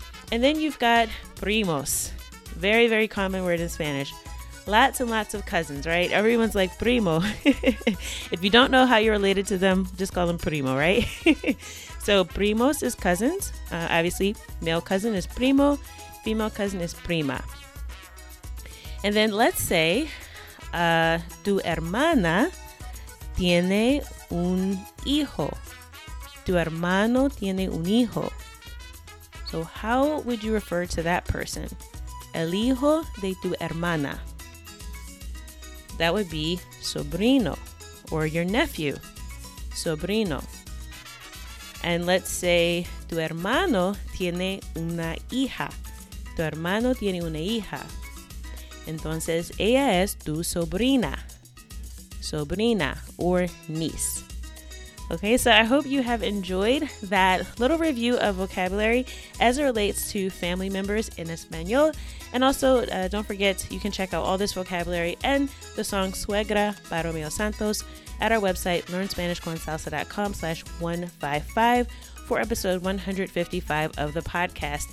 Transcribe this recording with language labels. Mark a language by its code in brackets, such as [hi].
[en] And then you've got primos. Very, very common word in Spanish. Lots and lots of cousins, right? Everyone's like primo. If you don't know how you're related to them, just call them primo, right? So primos is cousins. Obviously, male cousin is primo. Female cousin is prima. And then let's say [es] tu hermana tiene un hijo. Tu hermano tiene un hijo. [en] So how would you refer to that person? [es] El hijo de tu hermana. [en] That would be sobrino, or your nephew, sobrino. And let's say [es] tu hermano tiene una hija. Tu hermano tiene una hija. Entonces, ella es tu sobrina. [en] Sobrina, or niece. Okay, so I hope you have enjoyed that little review of vocabulary as it relates to family members in Espanol. And also, don't forget, you can check out all this vocabulary and the song Suegra by Romeo Santos at our website, learnspanishconsalsa.com/155 for episode 155 of the podcast.